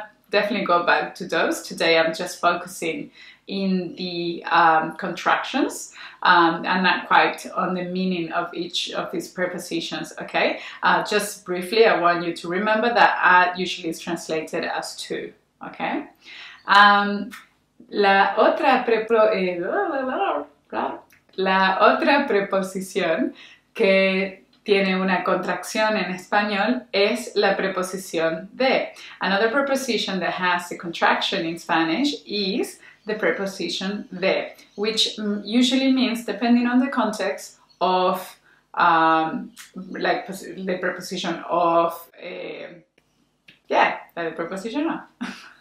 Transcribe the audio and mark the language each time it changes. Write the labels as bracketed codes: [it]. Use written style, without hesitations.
[en] Definitely go back to those. Today I'm just focusing in the contractions and not quite on the meaning of each of these prepositions, okay? Just briefly, I want you to remember that ad usually is translated as to, okay? [es] La otra preposición que tiene una contracción en español es la preposición de. [en] Another preposition that has a contraction in Spanish is the preposition de, which usually means, depending on the context of, like the preposition of, the preposition of.